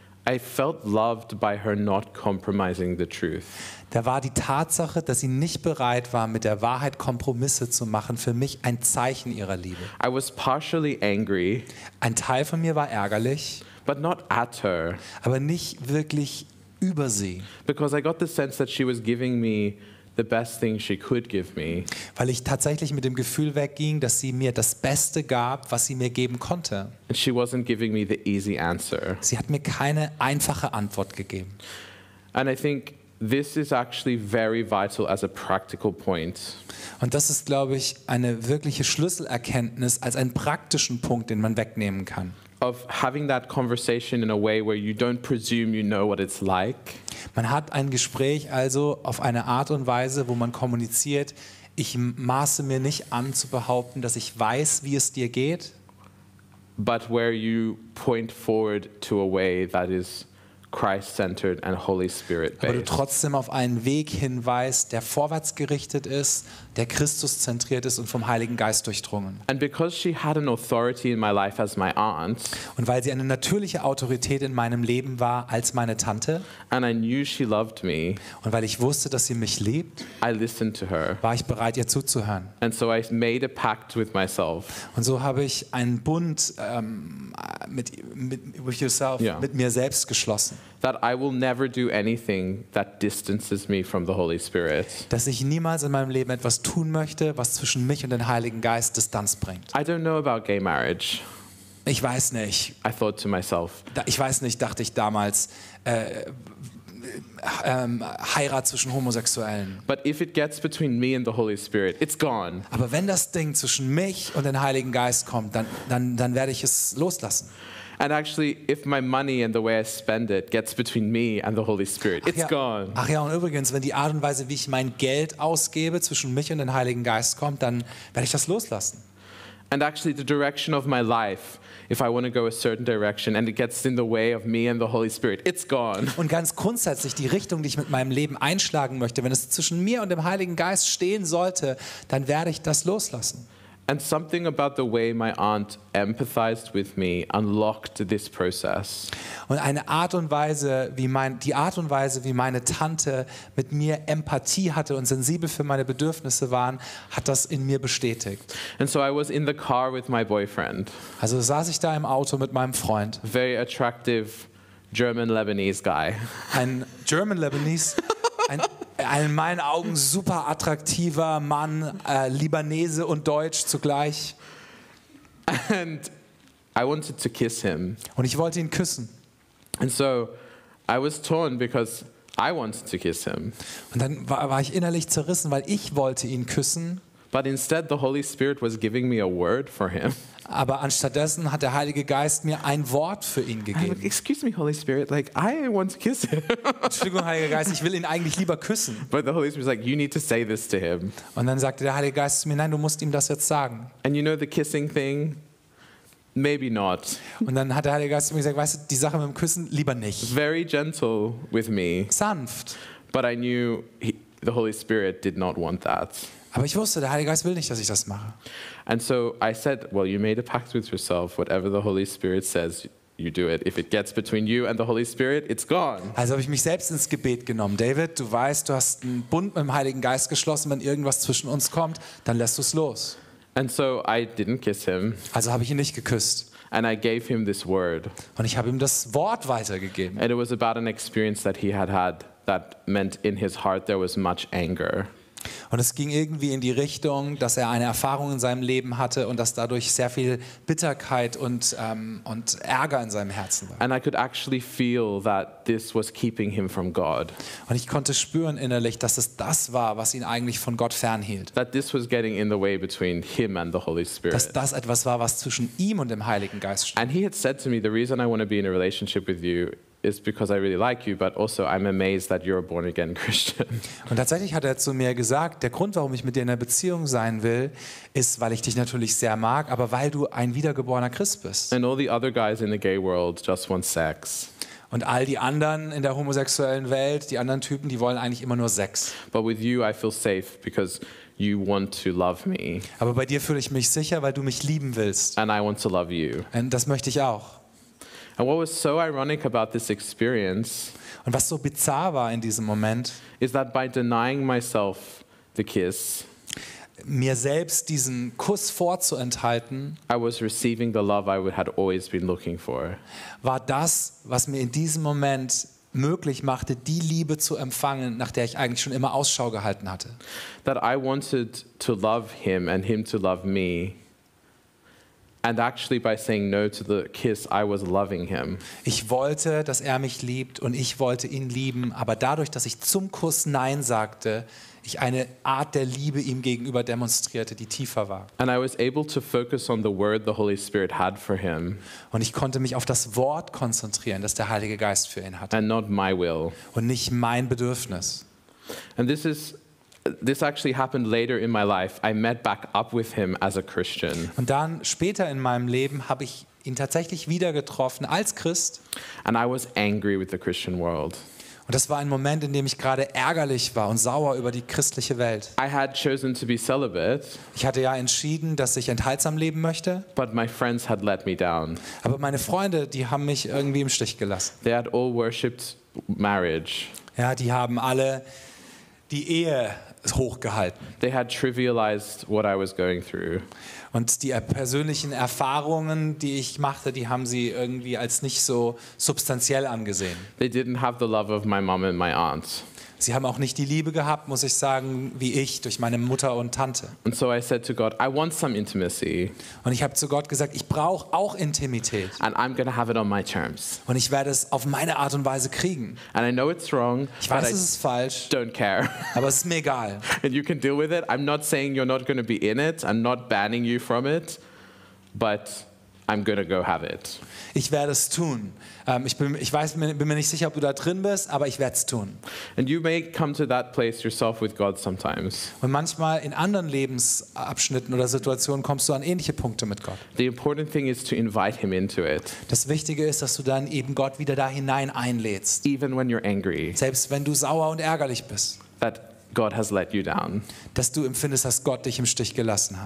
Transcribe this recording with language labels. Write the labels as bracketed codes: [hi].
[en] I felt loved by her not compromising the truth. [de] Da war die Tatsache, dass sie nicht bereit war, mit der Wahrheit Kompromisse zu machen, für mich ein Zeichen ihrer Liebe. [en] I was partially angry. [de] Ein Teil von mir war ärgerlich. [en] But not at her. [de] Aber nicht wirklich über sie. [en] Because I got the sense that she was giving me the best thing she could give me. [de] Weil ich tatsächlich mit dem Gefühl wegging, dass sie mir das Beste gab, was sie mir geben konnte. [en] And she wasn't giving me the easy answer. [de] Sie hat mir keine einfache Antwort gegeben. [en] And I think this is actually very vital as a practical point. [de] Und das ist, glaube ich, eine wirkliche Schlüsselerkenntnis als einen praktischen Punkt, den man wegnehmen kann. [en] Of having that conversation in a way where you don't presume you know what it's like. [de] Man hat ein Gespräch also auf eine Art und Weise, wo man kommuniziert, ich maße mir nicht an zu behaupten, dass ich weiß, wie es dir geht. [en] But where you point forward to a way that is Christ-centered and Holy Spirit-based. [de] Aber du trotzdem auf einen Weg hinweist, der vorwärts gerichtet ist, der Christus-zentriert ist und vom Heiligen Geist durchdrungen. [en] And because she had an authority in my life as my aunt. [de] Und weil sie eine natürliche Autorität in meinem Leben war als meine Tante. [en] And I knew she loved me. [de] Und weil ich wusste, dass sie mich liebt. [en] I listened to her. [de] War ich bereit, ihr zuzuhören. [en] And so I made a pact with myself. [de] Und so habe ich einen Bund [en] with yourself, yeah, [de] mit mir selbst geschlossen. [en] That I will never do anything that distances me from the Holy Spirit. [de] Dass ich niemals in meinem Leben etwas tun möchte, was zwischen mich und den Heiligen Geist Distanz bringt. [en] I don't know about gay marriage. [de] Ich weiß nicht. [en] I thought to myself. [de] Ich weiß nicht, dachte ich damals, Heirat zwischen Homosexuellen. [en] But if it gets between me and the Holy Spirit, it's gone. [de] Aber wenn das Ding zwischen mich und den Heiligen Geist kommt, dann werde ich es loslassen. [en] And actually, if my money and the way I spend it gets between me and the Holy Spirit, it's gone. [de] Ach ja, und übrigens, wenn die Art und Weise, wie ich mein Geld ausgebe, zwischen mich und den Heiligen Geist kommt, dann werde ich das loslassen. [en] And actually, the direction of my life, if I want to go a certain direction and it gets in the way of me and the Holy Spirit, it's gone. [de] Und ganz grundsätzlich, die Richtung, die ich mit meinem Leben einschlagen möchte, wenn es zwischen mir und dem Heiligen Geist stehen sollte, dann werde ich das loslassen. [en] And something about the way my aunt empathized with me unlocked this process. [de] Und eine Art und Weise, wie meine Tante mit mir Empathie hatte und sensibel für meine Bedürfnisse waren, hat das in mir bestätigt. [en] And so I was in the car with my boyfriend. [de] Also saß ich da im Auto mit meinem Freund. [en] Very attractive German Lebanese guy. [de] Ein in meinen Augen super attraktiver Mann, Libanese und Deutsch zugleich. [en] And I wanted to kiss him. [de] Und ich wollte ihn küssen. [en] And so I was torn because I wanted to kiss him. [de] Und dann war ich innerlich zerrissen, weil ich wollte ihn küssen. [en] But instead the Holy Spirit was giving me a word for him. [de] Aber anstattdessen hat der Heilige Geist mir ein Wort für ihn gegeben. [en] Excuse me, Holy Spirit, like I want to kiss him. [de] Entschuldigung, Heiliger Geist, ich will ihn eigentlich lieber küssen. [en] But the Holy Spirit was like, you need to say this to him. [de] Und dann sagte der Heilige Geist zu mir, nein, du musst ihm das jetzt sagen. [en] And you know the kissing thing? Maybe not. [de] Und dann hat der Heilige Geist zu mir gesagt, weißt du, die Sache mit dem Küssen lieber nicht. [en] Very gentle with me. [de] Sanft. [en] But I knew the Holy Spirit did not want that. [de] Aber ich wusste, der Heilige Geist will nicht, dass ich das mache. [en] And so I said, well, you made a pact with yourself. Whatever the Holy Spirit says, you do it. If it gets between you and the Holy Spirit, it's gone. [de] Also habe ich mich selbst ins Gebet genommen. David, du weißt, du hast einen Bund mit dem Heiligen Geist geschlossen. Wenn irgendwas zwischen uns kommt, dann lässt du es los. [en] And so I didn't kiss him. [de] Also habe ich ihn nicht geküsst. [en] And I gave him this word. [de] Und ich habe ihm das Wort weitergegeben. [en] And it was about an experience that he had had that meant in his heart there was much anger. [de] Und es ging irgendwie in die Richtung, dass er eine Erfahrung in seinem Leben hatte und dass dadurch sehr viel Bitterkeit und Ärger in seinem Herzen war. [en] And I could actually feel that this was keeping him from God. [de] Und ich konnte spüren innerlich, dass es das war, was ihn eigentlich von Gott fernhielt. [en] That this was getting in the way between him and the Holy Spirit. [de] Dass das etwas war, was zwischen ihm und dem Heiligen Geist stand. [en] And he had said to me, the reason I want to be in a relationship with you is because I really like you, but also I'm amazed that you're a born again Christian. [de] Und tatsächlich hat er zu mir gesagt, der Grund, warum ich mit dir in einer Beziehung sein will, ist, weil ich dich natürlich sehr mag, aber weil du ein wiedergeborener Christ bist. [en] And all the other guys in the gay world just want sex. [de] Und all die anderen in der homosexuellen Welt, die anderen Typen, die wollen eigentlich immer nur Sex. [en] But with you I feel safe because you want to love me. [de] Aber bei dir fühle ich mich sicher, weil du mich lieben willst. [en] And I want to love you. [de] Und das möchte ich auch. [en] And what was so ironic about this experience? [de] Und was so bizarr war in diesem Moment? [en] Is that by denying myself the kiss? [de] Mir selbst diesen Kuss vorzuenthalten. [en] I was receiving the love I had always been looking for. [de] War das, was mir in diesem Moment möglich machte, die Liebe zu empfangen, nach der ich eigentlich schon immer Ausschau gehalten hatte. [en] That I wanted to love him and him to love me. And actually by saying no to the kiss, I was loving him. [de] Ich wollte, dass er mich liebt und ich wollte ihn lieben, aber dadurch, dass ich zum Kuss Nein sagte, ich eine Art der Liebe ihm gegenüber demonstrierte, die tiefer war. [en] And I was able to focus on the word the Holy Spirit had for him. [de] Und ich konnte mich auf das Wort konzentrieren, das der Heilige Geist für ihn hatte. [en] And not my will. [de] Und nicht mein Bedürfnis. [en] And this actually happened later in my life. I met back up with him as a Christian. [de] Und dann später in meinem Leben habe ich ihn tatsächlich wieder getroffen als Christ. [en] And I was angry with the Christian world. [de] Und das war ein Moment, in dem ich gerade ärgerlich war und sauer über die christliche Welt. [en] I had chosen to be celibate. [de] Ich hatte ja entschieden, dass ich enthaltsam leben möchte. [en] But my friends had let me down. [de] Aber meine Freunde, die haben mich irgendwie im Stich gelassen. [en] They had all worshipped marriage. [de] Ja, die haben alle die Ehe hochgehalten. [en] They had trivialized what I was going through. [de] Und die persönlichen Erfahrungen, die ich machte, die haben sie irgendwie als nicht so substanziell angesehen. [en] They didn't have the love of my mom and my aunt. [de] Sie haben auch nicht die Liebe gehabt, muss ich sagen, wie ich durch meine Mutter und Tante. [en] And so I said to God, I want some intimacy. [de] Und ich habe zu Gott gesagt, ich brauche auch Intimität. [en] And I'm gonna have it on my terms. [de] Und ich werde es auf meine Art und Weise kriegen. [en] And I know it's wrong. [de] Ich weiß, es ist falsch. [en] Don't care. [de] Aber es ist mir egal. [en] And you can deal with it. I'm not saying you're not gonna be in it. I'm not banning you from it. But I'm gonna go have it. [de] Ich werde es tun. Ich bin mir nicht sicher, ob du da drin bist, aber ich werde es tun. [en] And you may come to that place yourself with God sometimes. [de] Und manchmal in anderen Lebensabschnitten oder Situationen kommst du an ähnliche Punkte mit Gott. [en] The important thing is to invite him into it. [de] Das Wichtige ist, dass du dann eben Gott wieder da hinein einlädst. [en] Even when you're angry. [de] Selbst wenn du sauer und ärgerlich bist. [en] That God has let you down. [de] Dass du empfindest, dass Gott dich im Stich gelassen hat.